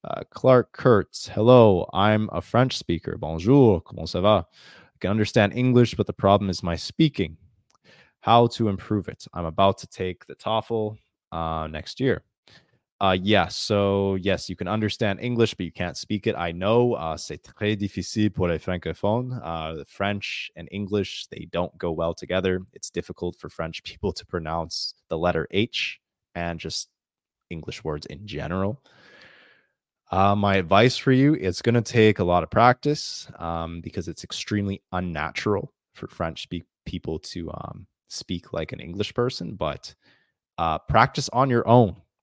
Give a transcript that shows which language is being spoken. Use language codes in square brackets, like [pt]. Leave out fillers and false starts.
[en] Clark Kurtz. Hello. I'm a French speaker. [fr] Bonjour. Comment ça va? [en] I can understand English, but the problem is my speaking. How to improve it? I'm about to take the TOEFL next year. Yes, you can understand English, but you can't speak it. I know, [fr] c'est très difficile pour les francophones. [en] The French and English, they don't go well together. It's difficult for French people to pronounce the letter H and just English words in general. My advice for you, it's going to take a lot of practice because it's extremely unnatural for French people to speak like an English person, but practice on your own.